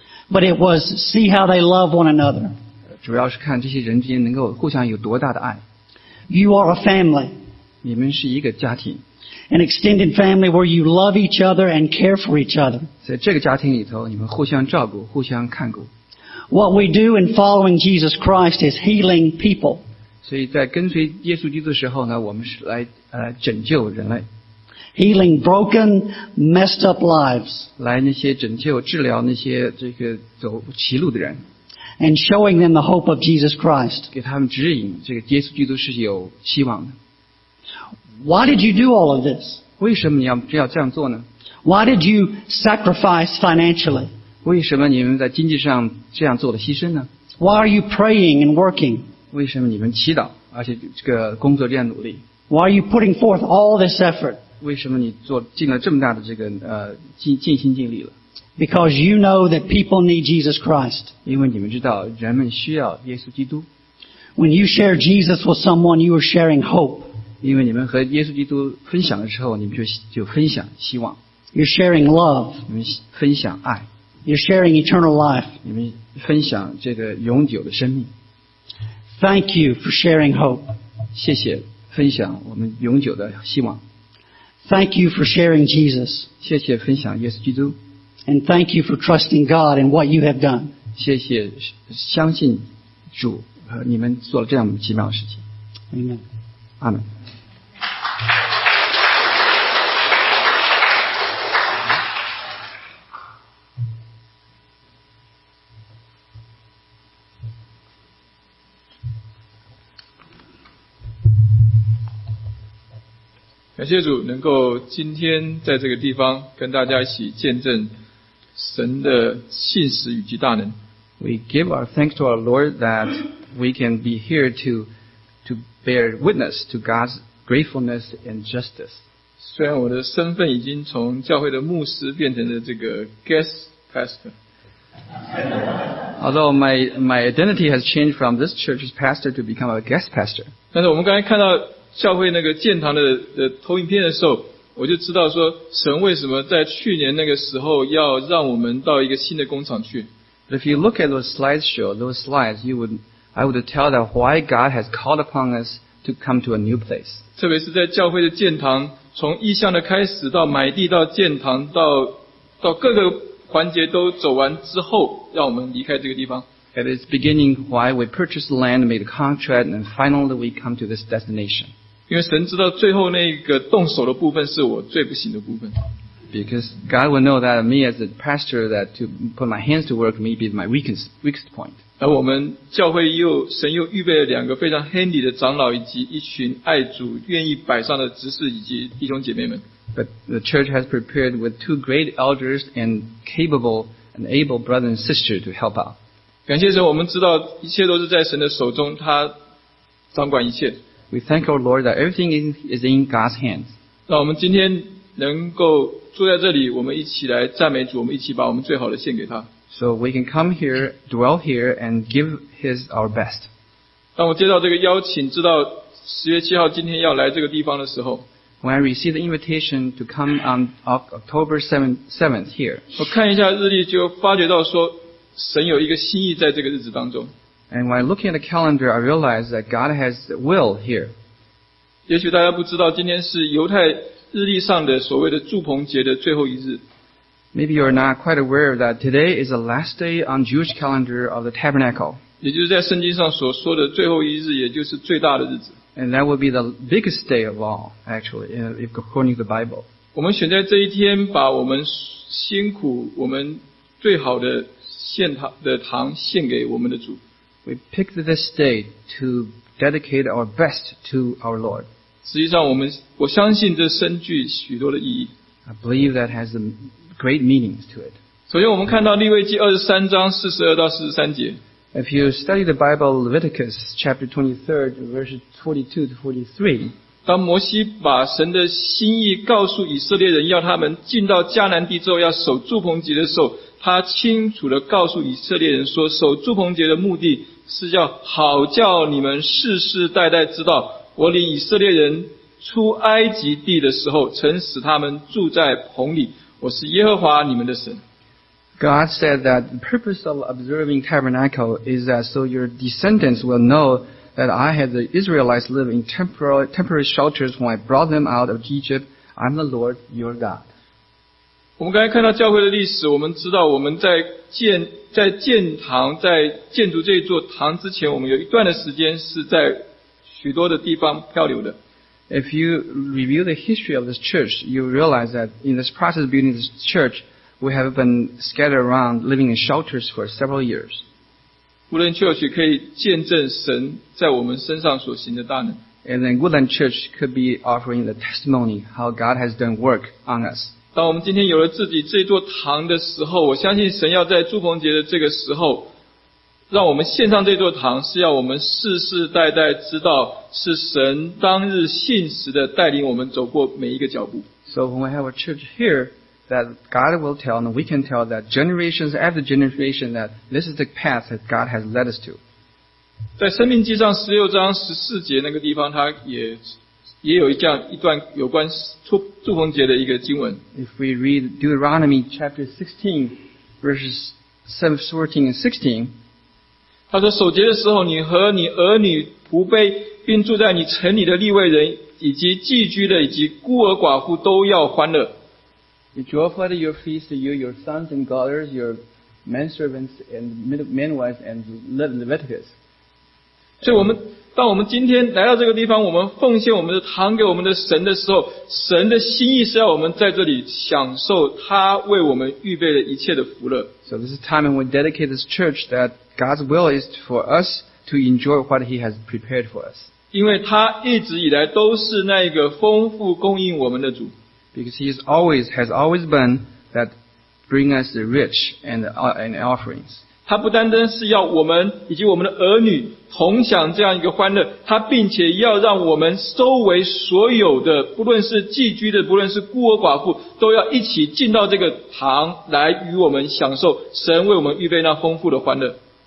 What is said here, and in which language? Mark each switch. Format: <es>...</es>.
<en>But it was see how they love one another.</en> <zh>主要是看这些人之间能够互相有多大的爱。</zh> <en>You are a family.</en> <zh>你们是一个家庭。</zh> <en>An extended family where you love each other and care for each other.</en> <zh>在这个家庭里头，你们互相照顾，互相看顾。</zh> <en>What we do in following Jesus Christ is healing people.</en> <zh>所以在跟随耶稣基督的时候呢，我们是来拯救人类。</zh> <en>Healing broken, messed up lives.</en> <zh>来那些拯救、治疗那些这个走歧路的人。</zh> <en>And showing them the hope of Jesus Christ.</en> <zh>给他们指引，这个耶稣基督是有希望的。</zh> <en>Why did you do all of this?</en> <zh>为什么你要这样做呢？</zh> <en>Why did you sacrifice financially?</en> <zh>为什么你们在经济上这样做了牺牲呢？</zh> <en>Why are you praying and working?</en> <zh>为什么你们祈祷而且这个工作这样努力？</zh> <en>Why are you putting forth all this effort?</en> <zh>为什么你做尽了这么大的这个尽心尽力了？</zh> <en>Because you know that people need Jesus Christ.</en> <zh>因为你们知道人们需要耶稣基督。</zh> <en>When you share Jesus with someone, you are sharing hope.</en> <zh>因为你们和耶稣基督分享的时候，你们就分享希望。</zh> <en>You're sharing love.</en> <zh>你们分享爱。</zh> <en>You're sharing eternal life.</en> <zh>你们分享这个永久的生命。</zh> <en>Thank you for sharing hope.</en> <zh>谢谢分享我们永久的希望。</zh> <en>Thank you for sharing Jesus.</en> <zh>谢谢分享耶稣基督。</zh> <en>And thank you for trusting God in what you have done.</en> <zh>谢谢相信主和你们做了这样奇妙的事情。</zh> <en>Amen.</en> <zh>阿们。感谢主能够今天在这个地方跟大家一起见证神的信实与其大能。</zh> <en>We give our thanks to our Lord that we can be here to bear witness to God's gratefulness and justice.</en> <zh>虽然我的身份已经从教会的牧师变成了这个</zh> <en>guest pastor. Although my identity has changed from this church's pastor to become a guest pastor.</en> <zh>但是我们刚才看到教会那个建堂的投影片的时候，我就知道说神为什么在去年那个时候要让我们到一个新的工厂去。</zh> <en>But if you look at those slideshow, those slides, I would tell that why God has called upon us to come to a new place.</en> <zh>特别是在教会的建堂，从意向的开始到买地到建堂到各个环节都走完之后，让我们离开这个地方。</zh> <en>At its beginning, why we purchased the land, made a contract, and finally we come to this destination.</en> <zh>因为神知道最后那个动手的部分是我最不行的部分。</zh> <en>Because God will know that me as a pastor, that to put my hands to work may be my weakest point.</en> <zh>而我们教会又神又预备了两个非常 handy 的长老，以及一群爱主、愿意摆上的执事以及弟兄姐妹们。</zh> <en>But the church has prepared with two great elders and capable and able brothers and sisters to help out.</en> <zh>感谢神，我们知道一切都是在神的手中，他掌管一切。</zh> <en>We thank our Lord that everything is in God's hands.</en> <zh>让我们今天能够坐在这里，我们一起来赞美主，我们一起把我们最好的献给他。</zh> <en>So we can come here, dwell here, and give His our best.</en> <zh>当我接到这个邀请，知道十月七号今天要来这个地方的时候</zh> <en>，When I receive the invitation to come on October 7th here，</en> <zh>我看一下日历就发觉到说。神有一个心意在这个日子当中。</zh> <en>And when I look at the calendar, I realize that God has will here.</en> <zh>也许大家不知道，今天是犹太日历上的所谓的祝棚节的最后一日。</zh> <en>Maybe you're not quite aware that today is the last day on Jewish calendar of the tabernacle.</en> <zh>也就是在圣经上所说的最后一日，也就是最大的日子。</zh> <en>And that would be the biggest day of all, actually, if according to the Bible.</en> <zh>我们选在这一天，把我们辛苦、我们最好的献堂的堂献给我们的主。</zh> <en>We picked this day to dedicate our best to our Lord.</en> <zh>实际上我相信这深具许多的意义。</zh> <en>I believe that has a great meaning to it.</en> <zh>首先我们看到利未记23章42到43节。</zh> <en>If you study the Bible Leviticus chapter 23 verses 42 to 43,</en> <zh>当摩西把神的心意告诉以色列人要他们进到迦南地之后要守祝棚节的时候，他清楚地告诉以色列人说，守祝棚节的目的是要好叫你们世世代代知道，我领以色列人出埃及地的时候，曾使他们住在棚里，我是耶和华你们的神。</zh> <en>God said that the purpose of observing tabernacle is that so your descendants will know that I had the Israelites live in temporary shelters when I brought them out of Egypt. I'm the Lord your God.</en> <zh>我们刚才看到教会的历史，我们知道我们在建堂在建筑这一座堂之前，我们有一段的时间是在许多的地方漂流的。</zh> <en>If you review the history of this church, you realize that in this process of building this church, we have been scattered around living in shelters for several years.</en> <zh>Woodland Church 可以见证神在我们身上所行的大能。</zh> <en>And then Woodland Church could be offering the testimony how God has done work on us.</en> <zh>当我们今天有了自己这座堂的时候，我相信神要在祝棚节的这个时候，让我们献上这座堂，是要我们世世代代知道是神当日信实的带领我们走过每一个脚步。</zh> <en>So when we have a church here, that God will tell, and we can tell that generations after generation that this is the path that God has led us to.</en> <zh>在生命记上十六章十四节那个地方，他也有这样一段有关祝棚节的一个经文。</zh> <en>If we read Deuteronomy chapter 16, verses 14 and 16.</en> <zh>他说守节的时候，你和你儿女仆婢并住在你城里的利未人以及寄居的以及孤儿寡妇都要欢乐。</zh> <en>You joyful at your feast, you, your sons and daughters, your menservants and menwives and Leviticus.</en> <zh>所以我们当我们今天来到这个地方，我们奉献我们的堂给我们的神的时候，神的心意是要我们在这里享受他为我们预备的一切的福乐。</zh> <en>So this is time when we dedicate this church that God's will is for us to enjoy what he has prepared for us.</en> <zh>因为他一直以来都是那个丰富供应我们的主。</zh> <en>Because he has always been that bring us the rich and offerings.</en> <zh>他不单单是要我们以及我们的儿女同享这样一个欢乐，他并且要让我们周围所有的，不论是寄居的，不论是孤儿寡妇，都要一起进到这个堂来与我们享受神为我们预备那丰富的欢乐。</zh>